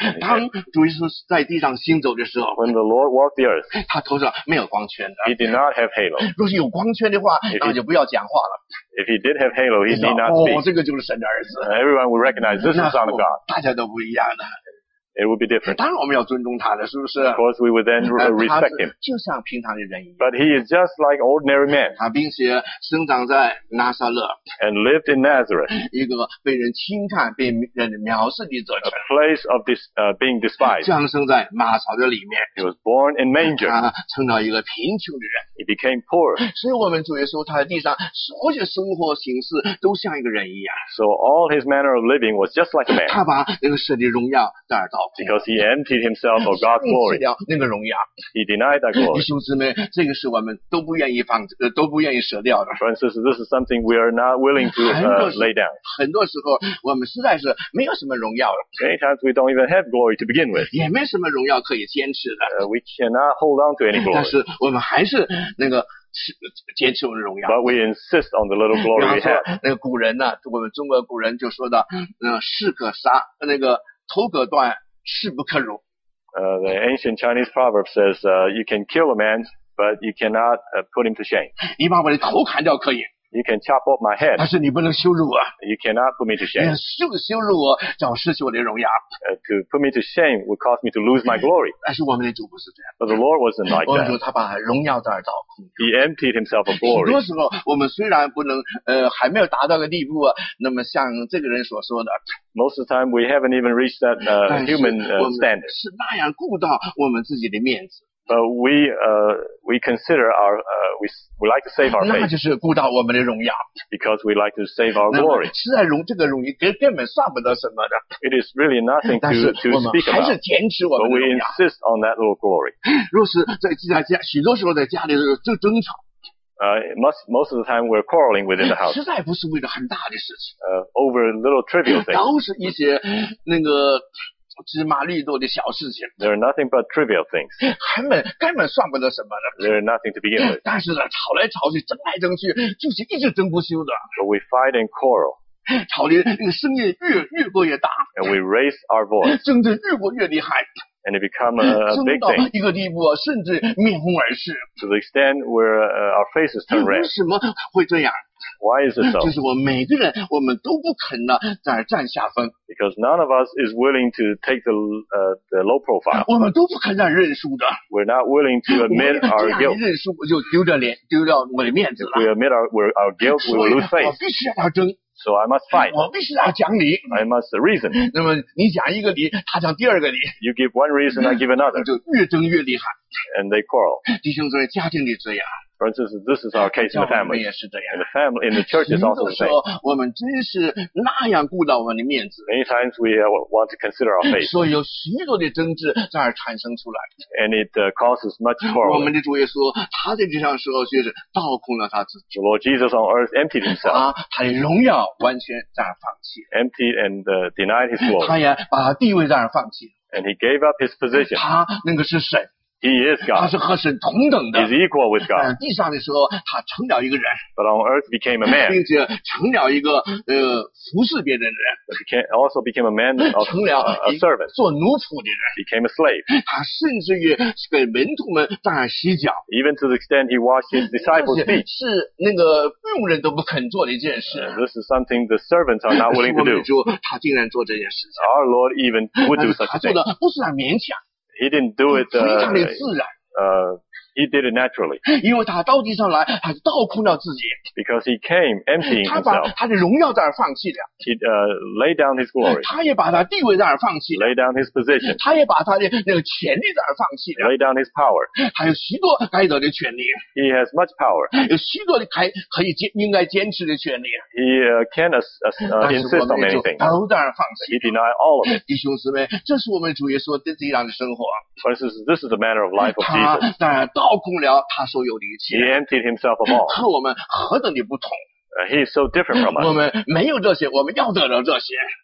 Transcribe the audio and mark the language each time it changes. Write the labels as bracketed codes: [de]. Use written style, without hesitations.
[zh] 当主耶稣在地上行走的时候 [en] ，When the Lord walked the earth， [zh] 他头上没有光圈的。 [en] He did not have halo. [zh] 若是有光圈的话，那就不要讲话了。 [en] If he did have halo, he need not speak. [zh] 哦，这个就是神的儿子。 [en] Everyone would recognize this is Son of God. [zh] 大家都不一样的。 [en] It would be different. [zh] 当然我们要尊重他的，是不是 [en] ？Of course, we would then respect him. [zh] 就像平常的人一样。 [en] But he is just like ordinary man. [zh] 他并且生长在拿撒勒。 [en] And lived in Nazareth. [zh] 一个被人轻看、被人藐视的城。 [en] A place of this being despised. [zh] 降生在马槽的里面。 [en] He was born in manger. [zh] 他成了一个贫穷的人。 [en] He became poor. [zh] 所以我们主耶稣他在地上所有生活形式都像一个人一样。 [en] So all his manner of living was just like a man. [zh] 他把那个神的荣耀带到。 [en] Because he emptied himself of God's glory. [zh] 放弃掉那个荣耀。 [en] He denied that glory. [zh] 弟兄姊妹，这个是我们都不愿意放，都不愿意舍掉的。 [en] Francis, this is something we are not willing to lay down. [zh] 很多时候，我们实在是没有什么荣耀了。 [en] Many times we don't even have glory to begin with. [zh] 也没什么荣耀可以坚持的。 [en] We cannot hold on to any glory. [zh] 但是我们还是那个。坚持我们的荣耀。 [en] But we insist on the little glory we have. [zh] 那个古人呢、啊？我们中国古人就说的，士可杀，那个头可断。是不可辱。 [en] The ancient Chinese proverb says, you can kill a man, but you cannot put him to shame. [zh] 你把我的头砍掉可以。 [en] You can chop off my head. [zh] 但是你不能羞辱我。 [en] You cannot put me to shame. [zh] 羞辱我，叫我失去我的荣耀。 [en] To put me to shame would cause me to lose my glory. [zh] 但是我们的主不是这样。 [en] But the Lord wasn't like that. [zh] 我们主他把荣耀在倒空。 [en] He emptied himself of glory. [zh] 很多时候我们虽然不能还没有达到个地步，那么像这个人所说的。 [en] Most of the time, we haven't even reached that human standard. [zh] 是那样顾到我们自己的面子。 [en] But we consider our we like to save our face. [zh] 那就是顾到我们的荣耀。 [en] Because we like to save our glory. [zh] 实在荣这个荣誉根本算不得什么的。 [en] It is really nothing to speak about. [zh] 但是我们还是坚持我们的荣耀。 [en] But we insist on that little glory. [zh] 若是在家许多时候在家里就争吵。 [en] Most of the time we're quarreling within the house. [zh] 实在不是为了很大的事情。 [en] Over little trivial things. [zh] 都是一些那个。芝麻绿豆的小事情。 [en] They're nothing but trivial things. [zh] 根本算不得什么的。 [en] They're nothing to begin with. [zh] 但是呢，吵来吵去，争来争去，就是一直争不休的。 [en] But we fight and quarrel. [zh] 吵的那个声音越过越大。 [en] And we raise our voice. [zh] 争得越过越厉害。 [en] And it become a big thing. [zh] 一个地步啊，甚至面红耳赤。 [en] To the extent where our faces turn red. [zh] 为什么会这样？ [en] Why is it so? [zh] 就是我们每个人，我们都不肯呢，在占下风。 [en] Because none of us is willing to take the low profile. [zh] 我们都不肯让认输的。 [en] We're not willing to admit our guilt. [zh] 认输就丢着脸，丢掉我的面子了。 [en] If we admit our guilt, we will lose face. [zh] 我必须让他争。 [en] So I must fight. [zh] 我必须要讲理。 [en] I must reason. [zh] 那么你讲一个理，他讲第二个理。 [en] You give one reason, I give another. [zh] 就越争越厉害。 [en] And they quarrel. [zh] 弟兄姊妹，家庭里这样。 [en] For instance, this is our case in the family. [zh] 教会也是这样。 [en] And the family in the church is also the same. [zh] 说我们真是那样顾到我们的面子。 [en] Many times we want to consider our faith. [zh] 所以有许多的争执在而产生出来。 [en] And it causes much quarrel. [zh] 我们的主耶稣，他在地上时候就是倒空了他自己。 [en] The Lord Jesus on earth emptied himself. [zh] 他的荣耀完全在而放弃。 [en] Emptied and denied his glory. [zh] 他也把地位在而放弃。 [en] And he gave up his position. [zh] 他那个是谁？ [en] He is God. [zh] 他是和神同等的。 [en] He's equal with God. [zh] 地上的时候，他成了一个人。 [en] But on earth became a man. [zh] 并且成了一个服侍别人的人。 [en] Also became a man. Of, [zh] 成了 [en] a servant. [zh] 做奴仆的人。 [en] Became a slave. [zh] 他甚至于给门徒们当然洗脚。 [en] Even to the extent he washed his disciples' feet. [zh] 是那个佣人都不肯做的一件事。 [en] This is something the servants are not willing to do. [zh] 主他竟然做这件事情。 [en] Our Lord even would do such thing. [zh] 他做的不是勉强。 [en] He didn't do it, he did it naturally. [zh] 因为他到地上来，他是倒空了自己。 [en] Because he came emptying himself. [zh] 他把他的荣耀在那儿放弃了。 [en] He laid down his glory. [zh] 他也把他地位在那儿放弃了。 [en] Laid down his position. [zh] 他也把他的那个权力在那儿放弃了。 [en] Laid down his power. [zh] 他有许多该得的权利。 [en] He has much power. [zh] 有许多的可以应该坚持的权利。 [en] He can insist on many things. [zh] 但是我们就都在那儿放弃。 [en] He denied all of it. [zh] 弟兄姊妹，这是我们主耶稣的这样的生活。 [en] For instance, this is the manner of life of Jesus. [zh] 他当然倒空了他所有的一切。 [en] He emptied himself of all. [zh] 和我们何等的不同。 [en] He is so different from us. [zh] 我们没有这些，我们要得到这些。